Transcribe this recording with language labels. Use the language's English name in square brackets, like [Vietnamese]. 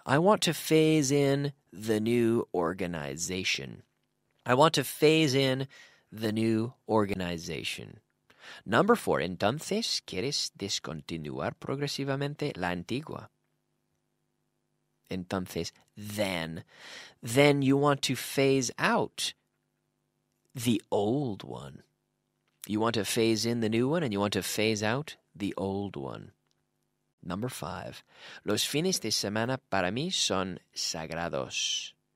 [English] I want to phase in the new organization. I want to phase in the new organization. Number four, [Spanish] entonces, ¿quieres discontinuar progresivamente la antigua? [English] Entonces, then you want to phase out the old one. You want to phase in the new one and you want to phase out the old one. Number 5. [Spanish] Los fines de semana para mí son sagrados.